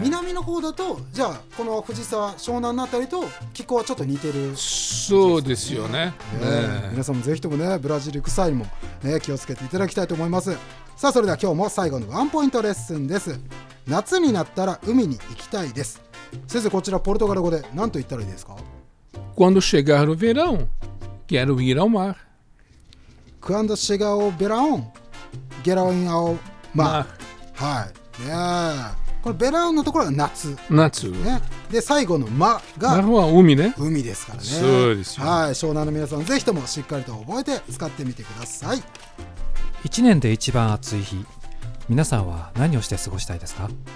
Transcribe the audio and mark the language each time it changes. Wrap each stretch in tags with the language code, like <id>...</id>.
<ja>南の方だとじゃあこの藤沢湘南のあたりと気候はちょっと似てる、ね、そうですよ ね。皆さんもぜひともね、ブラジル行く際も、ね、気をつけていただきたいと思います。さあ、それでは今日も最後のワンポイントレッスンです。夏になったら海に行きたいです。先生、こちらポルトガル語で何と言ったらいいですか？</ja> <pt>Quando chegar o verão, quero ir ao mar. Quando chegar o verão, quero ir ao mar.</pt> <ja>はい。このベラウンのところは夏。夏。ね、で、最後のマが。マは海ね。海ですからね。そうですよ。はい。湘南の皆さん、ぜひともしっかりと覚えて使ってみてください。一年で一番暑い日、皆さんは何をして過ごしたいですか？</ja>